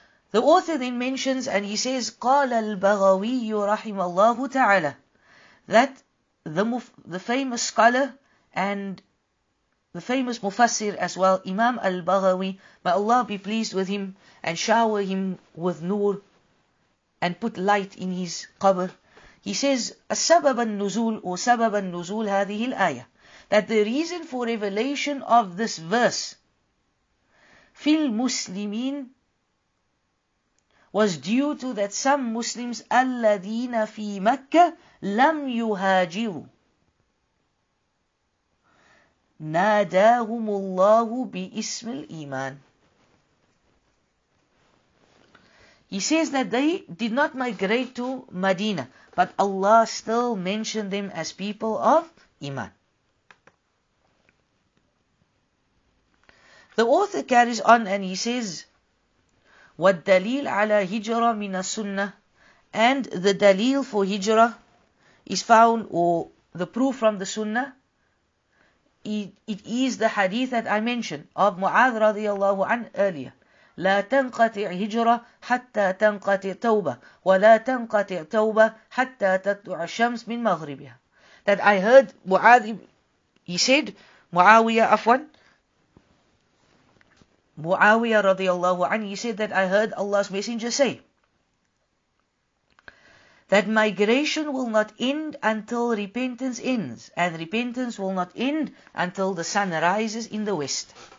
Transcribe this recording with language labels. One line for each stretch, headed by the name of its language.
English: The author then mentions, and he says,
Arabic: قَالَ الْبَغَوِيُّ رَحِمَ اللَّهُ تَعَالَى,
English: that the famous scholar and the famous Mufassir as well, Imam al-Baghawi, may Allah be pleased with him and shower him with nur and put light in his qabr. He says,
Arabic: السبب النزول,
English: or
Arabic: سبب النزول هذه الآية,
English: that the reason for revelation of this verse
Arabic: في المسلمين
English: was due to that some Muslims,
Arabic: الذين في مكة لم يهاجروا, ناداهم الله بإسم الإيمان.
English: He says that they did not migrate to Medina, but Allah still mentioned them as people of Iman. The author carries on and he says,
Arabic: وَالدَّلِيلْ عَلَى هِجْرَةٍ مِنَ السُنَّةِ,
English: and the dalil for hijrah is found, or the proof from the sunnah, it is the hadith that I mentioned of Mu'adh radiallahu an earlier.
Arabic: لا تنقطع هجرة حتى تنقطع توبة ولا تنقطع توبة حتى تطلع الشمس من مغربها.
English: That I heard Mu'adh, he said, Mu'awiyah radiallahu anhu, he said that I heard Allah's Messenger say that migration will not end until repentance ends, and repentance will not end until the sun rises in the west.